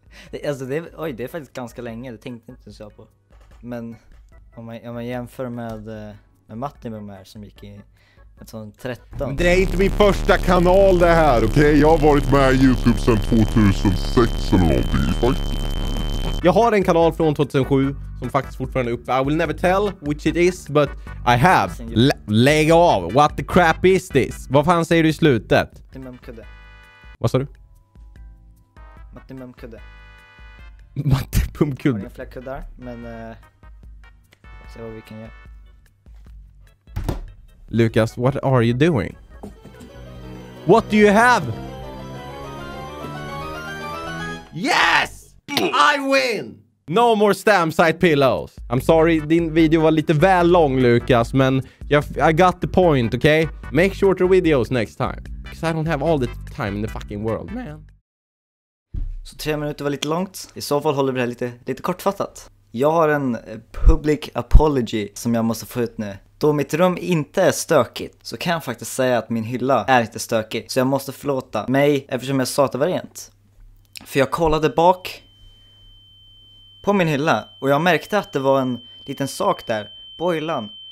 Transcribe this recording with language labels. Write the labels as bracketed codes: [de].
[sv] det är faktiskt ganska länge. Det tänkte inte ens jag på. Men om man jämför med Mattimum här som gick i... Men det är inte min första kanal det här, okej? Okay? Jag har varit med i YouTube sedan 2006 eller någonting, faktiskt. Jag har en kanal från 2007 som faktiskt fortfarande är uppe. [en] I will never tell which it is, but I have. [sv] Lägg av! [en] What the crap is this? [sv] Vad fan säger du i slutet? Vad sa du? Matti Mumkudde. Matti Mumkudde. Har ni fler kuddar? Men se vad vi kan göra. [en] Lukas, what are you doing? What do you have? Yes! I win! No more stamp site pillows. I'm sorry, [sv] din video var lite väl lång, Lukas, men [en] I got the point, okay? Make shorter videos next time. Because I don't have all the time in the fucking world, man. [sv] Så 3 minuter var lite långt. I så fall håller vi det lite kortfattat. Jag har en public apology som jag måste få ut nu. Då mitt rum inte är stökigt så kan jag faktiskt säga att min hylla är lite stökig. Så jag måste förlåta mig eftersom jag sa att det var rent. För jag kollade bak på min hylla och jag märkte att det var en liten sak där på hyllan.